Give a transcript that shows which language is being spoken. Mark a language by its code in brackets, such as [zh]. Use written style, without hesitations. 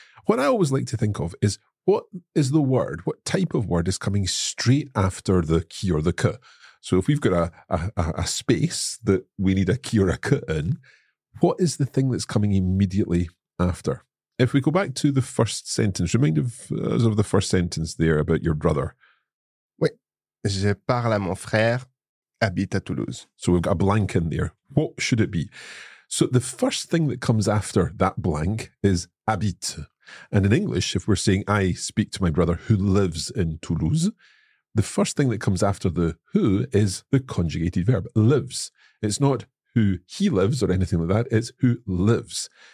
[en] What I always like to think of is, what is the word, what type of word is coming straight after the qui or the que? So if we've got a space that we need a qui or a que in, what is the thing that's coming immediately after? If we go back to the first sentence, remind us of the first sentence there about your brother. [fr] Oui, je parle à mon frère, habite à Toulouse. [en] So we've got a blank in there. What should it be? So the first thing that comes after that blank is habite. And in English, if we're saying I speak to my brother who lives in Toulouse, the first thing that comes after the who is the conjugated verb, lives. It's not who he lives or anything like that, it's who lives.